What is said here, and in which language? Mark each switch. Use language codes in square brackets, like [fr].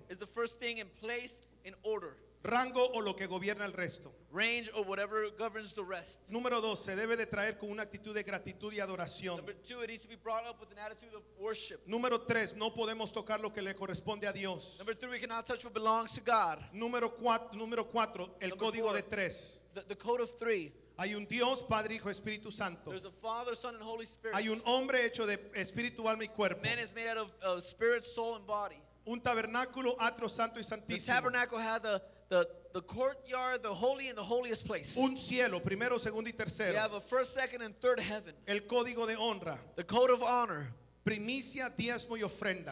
[en] Is the first thing in place, in order. [es] Rango o lo que gobierna el resto. [en] Range or whatever governs the rest. [es] Número dos, se debe de traer con una actitud de gratitud y adoración. [en] Number two, it needs to be brought up with an attitude of worship. [es] Número tres, no podemos tocar lo que le corresponde a Dios. [en] Number three, we cannot touch what belongs to God. [es] Número cuatro, el código de tres. [en] The code of three. [es] Hay un Dios, Padre, Hijo, Espíritu Santo. [en] There's a Father, Son, and Holy Spirit. [es] Hay un hombre hecho de espíritu, alma y cuerpo. [en] Man is made out of spirit, soul, and body. [es] Un tabernáculo, atrio santo y santísimo. [en] The tabernacle had the courtyard, the holy and the holiest place. [es] Un cielo, primero, segundo y tercero. [en] You have a first, second, and third heaven. [es] El código de honra. [en] The code of honor. [es] Primicia, diezmo y ofrenda.